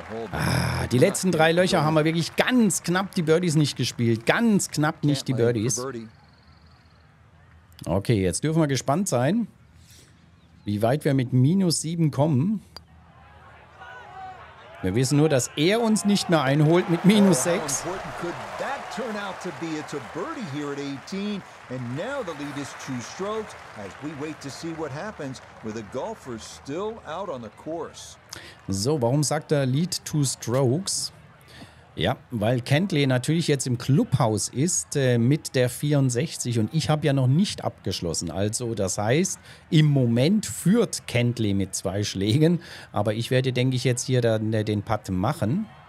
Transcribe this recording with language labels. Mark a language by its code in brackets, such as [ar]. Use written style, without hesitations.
[de] Ah, die letzten drei Löcher haben wir wirklich ganz knapp die Birdies nicht gespielt. Ganz knapp nicht die Birdies. Okay, jetzt dürfen wir gespannt sein, wie weit wir mit minus 7 kommen. Wir wissen nur, dass er uns nicht mehr einholt mit minus 6. [en] Turn out to be it's a birdie here at 18, and now the lead is 2 strokes as we wait to see what happens with the golfer still out on the course. [de] So, warum sagt er [en] lead 2 strokes? [de] Ja, weil Kentley natürlich jetzt im Clubhaus ist mit der 64 und ich habe ja noch nicht abgeschlossen. Also das heißt, im Moment führt Kentley mit 2 Schlägen, aber ich werde, denke ich, jetzt hier dann den Putt machen.